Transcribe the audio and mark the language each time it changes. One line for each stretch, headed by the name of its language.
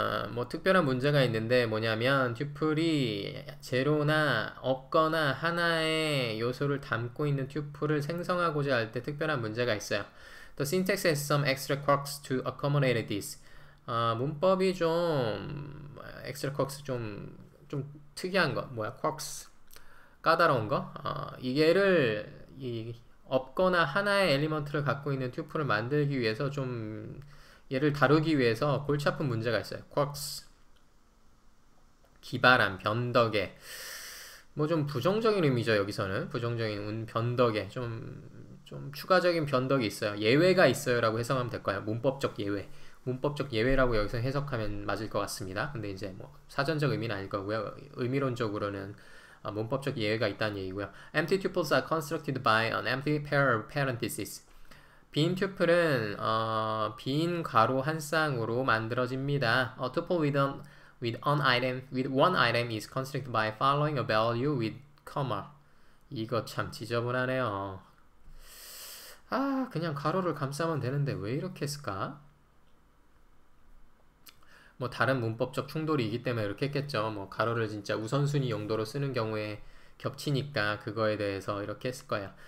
Korean: 뭐 특별한 문제가 있는데 뭐냐면 튜플이 제로나 없거나 하나의 요소를 담고 있는 튜플을 생성하고자 할때 특별한 문제가 있어요.
English: The syntax has some extra quirks to accommodate this.
Korean: 문법이 좀 extra quirks 좀 특이한 거 뭐야 quirks 까다로운 거 이게를 없거나 하나의 엘리먼트를 갖고 있는 튜플을 만들기 위해서 좀 얘를 다루기 위해서 골치 아픈 문제가 있어요. quarks. 기발함, 변덕에. 뭐좀 부정적인 의미죠, 여기서는. 부정적인 변덕에. 좀 추가적인 변덕이 있어요. 예외가 있어요라고 해석하면 될 거예요. 문법적 예외. 문법적 예외라고 여기서 해석하면 맞을 것 같습니다. 근데 이제 뭐 사전적 의미는 아닐 거고요. 의미론적으로는 문법적 예외가 있다는 얘기고요.
English: Empty tuples are constructed by an empty pair of parentheses.
Korean: 빈 튜플은 빈 괄호 한 쌍으로 만들어집니다.
English: A tuple with one item is constructed by following a value with comma.
Korean: 이거 참 지저분하네요. 아, 그냥 괄호를 감싸면 되는데 왜 이렇게 했을까? 뭐 다른 문법적 충돌이기 때문에 이렇게 했겠죠. 뭐 괄호를 진짜 우선순위 용도로 쓰는 경우에 겹치니까 그거에 대해서 이렇게 했을 거예요.